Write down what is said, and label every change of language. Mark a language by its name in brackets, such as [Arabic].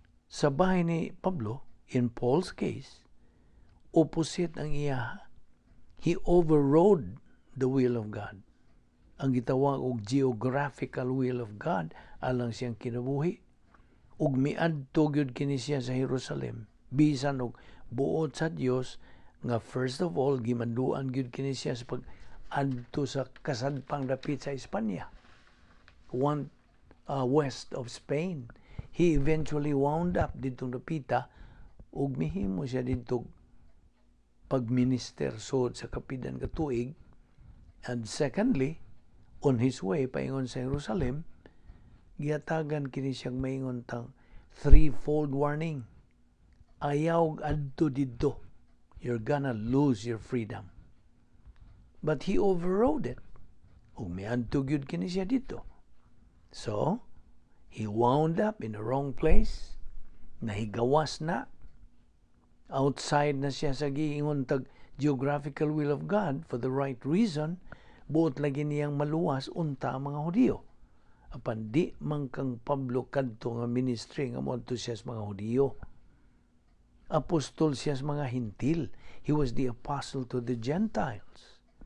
[Cebuano] Sa bahay ni Pablo, [English] in Paul's case, [Cebuano] opposite ang iya. [English] He overrode the will of God. [Cebuano] Ang gitawag og [English] geographical will of God, [Cebuano] alang siyang kinabuhi. Og miadto gyud kini siya sa Jerusalem. Bisan og buot sa Dios, nga [English] first of all, [Cebuano] gimanduan gyud kini siya sa pag-adto sa kasadpang dapit sa Espanya. [English] West of Spain. He eventually wound up [Cebuano] dito na pita ug mihimo siya didtong pag-minister suod sa kapidan ka tuig. [English] And secondly, on his way [Cebuano] paingon sa Jerusalem, giyatagan kini siyang maingon tang [English] threefold warning. [Cebuano] Ayaw adto didto. [English] You're gonna lose your freedom. But he overrode it. [Cebuano] Ug miadto gyud kini siya didto. [English] So, he wound up in the wrong place. [Cebuano] Nahigawas na. Outside na siya sa giingon tag [English] geographical will of God for the right reason. [Cebuano] Buot lagi niyang maluwas unta ang mga Hudiyo. Apan di man kang Pablo kadto nga ministry nga moadto siya sa mga Hudiyo. Apostol siya sa mga Hintil. [English] He was the apostle to the Gentiles.